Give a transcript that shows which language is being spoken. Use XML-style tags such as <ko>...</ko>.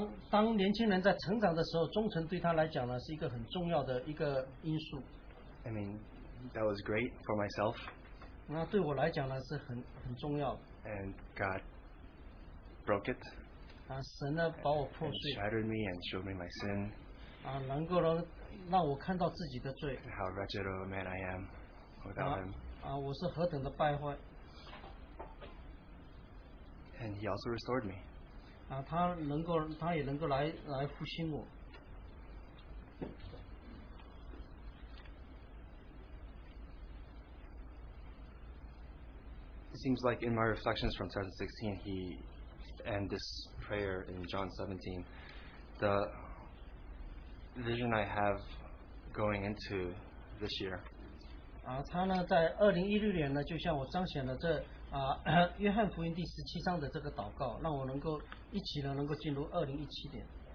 <zh>当年轻人在成长的时候，忠诚对他来讲呢是一个很重要的一个因素。</zh> <en>I mean, that was great for myself.</en> <zh>那对我来讲呢，是很重要的。</zh> <en>And God broke it.</en> <zh>神呢，把我破碎。</zh> <en>And shattered me and showed me my sin.</en> <zh>能够让我看到自己的罪。</zh> <en>And how wretched of a man I am without him.</en> <zh>我是何等的败坏。</zh> <en>And he also restored me.</en> <zh>他也能够来复兴我。</zh> <en>It seems like in my reflections from chapter 16, he and this prayer in John 17, the vision I have going into this year.</en> <zh>他呢，在2016年呢，就向我彰显了这约翰福音第十七章的这个祷告，让我能够一起呢，能够进入2017年。</zh>